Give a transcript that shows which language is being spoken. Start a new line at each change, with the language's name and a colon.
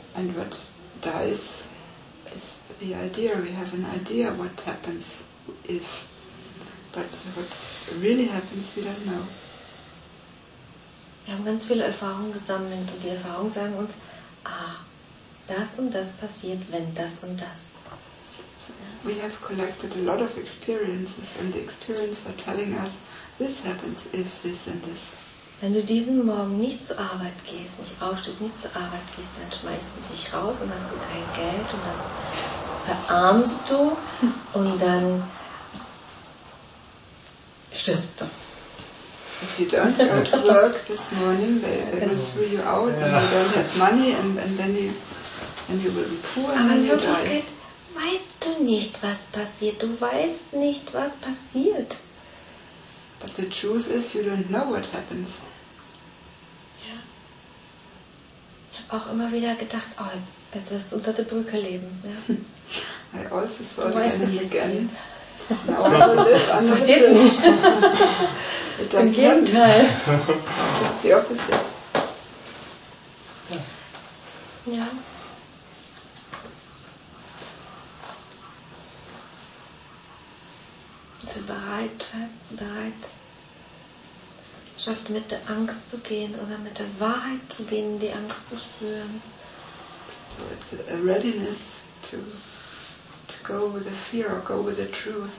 English: And what dies is the idea. We have an idea what happens if. But what really happens, we don't know.
German: Wir haben ganz viele Erfahrungen gesammelt und die Erfahrungen sagen uns, ah, das und das passiert, wenn das und das.
English: So we have collected a lot of experiences and the experiences are telling us, this happens if this and this.
German: Wenn du diesen Morgen nicht zur Arbeit gehst, nicht aufstehst, nicht zur Arbeit gehst, dann schmeißt du dich raus und hast kein Geld und dann verarmst du und dann stirbst du.
English: If you don't go to work this morning, they will throw you out and you don't have money and then you will be poor and then you die.
German: Aber in Wirklichkeit weißt du nicht, was passiert. Du weißt nicht, was passiert.
English: But the truth is, you don't know what happens. Ja.
German: Ich habe auch immer wieder gedacht, oh, jetzt wirst du unter der Brücke leben. Ja.
English: I also saw the enemy again. Now I will live under the bridge.
German: Passiert nicht. Im Gegenteil.
English: Just the opposite. Ja.
German: Also bereit, schafft mit der Angst zu gehen oder mit der Wahrheit zu gehen, die Angst zu spüren.
English: So it's a readiness to go with the fear or go with the truth.